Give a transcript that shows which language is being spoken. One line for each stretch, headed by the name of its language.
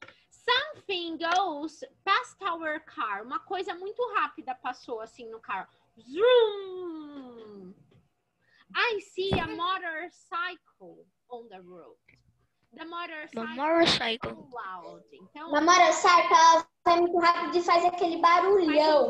English: Something goes past our car.
Portuguese: Uma coisa muito rápida passou assim no carro. Zoom!
English: I see a motorcycle on the road. The motorcycle. The motorcycle. So loud. Então,
Portuguese: the motorcycle vai muito rápido e faz aquele barulhão.